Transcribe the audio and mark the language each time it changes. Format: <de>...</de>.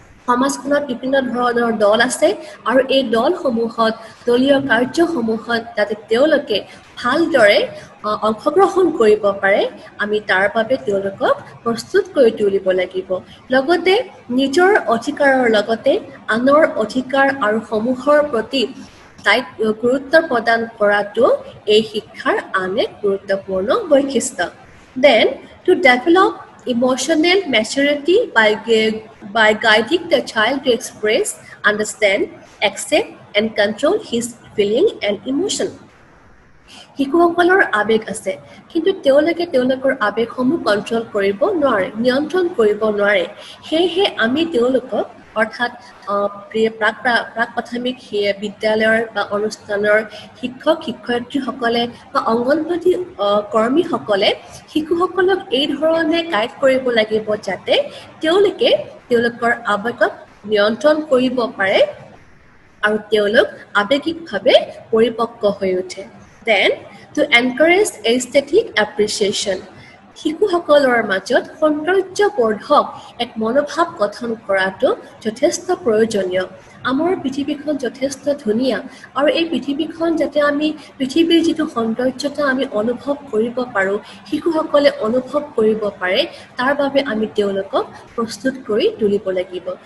<as>সমাজখনত বিভিন্ন ধৰণৰ দল আছে আৰু এই দলসমূহত দলীয় কাৰ্যসমূহত যাতে তেওঁলোকে ভালদৰে অংশগ্ৰহণ কৰিব পাৰে আমি তাৰ বাবে তেওঁলোকক প্ৰস্তুত কৰি তুলিব লাগিব। লগতে নিজৰ অধিকাৰৰ লগতে আনৰ অধিকাৰ আৰু সমূহৰ প্ৰতি দায়িত্ব গুৰুত্ব প্ৰদান কৰাটো এই শিক্ষাৰ আন এক গুৰুত্বপূৰ্ণ বৈশিষ্ট্য।</as> <en>Then, to develop emotional maturity by guiding the child to express, understand, accept, and control his feeling and emotion.</en> <as>শিশুসকলৰ আবেগ আছে, কিন্তু তেওঁলোকে তেওঁলোকৰ আবেগসমূহ কণ্ট্ৰল কৰিব নোৱাৰে, নিয়ন্ত্ৰণ কৰিব নোৱাৰে। সেয়েহে আমি তেওঁলোকক অৰ্থাৎ প্ৰাক প্ৰাথমিক বিদ্যালয়ৰ বা অনুষ্ঠানৰ শিক্ষক শিক্ষয়িত্ৰীসকলে বা অংগনবাদী কৰ্মীসকলে শিশুসকলক এইধৰণে গাইড কৰিব লাগিব যাতে তেওঁলোকে তেওঁলোকৰ আবেগক নিয়ন্ত্ৰণ কৰিব পাৰে আৰু তেওঁলোক আৱেগিকভাৱে পৰিপক্ক হৈ উঠে।</as> <en>Then, to encourage aesthetic appreciation.</en> <as>শিশুসকলৰ মাজত সৌন্দৰ্যবৰ্ধক এক মনোভাৱ গঠন কৰাটো যথেষ্ট প্ৰয়োজনীয়। আমাৰ পৃথিৱীখন যথেষ্ট ধুনীয়া আৰু এই পৃথিৱীখন যাতে আমি পৃথিৱীৰ যিটো সৌন্দৰ্যতা আমি অনুভৱ কৰিব পাৰোঁ, শিশুসকলে অনুভৱ কৰিব পাৰে, তাৰ বাবে আমি তেওঁলোকক প্ৰস্তুত কৰি তুলিব লাগিব।</as>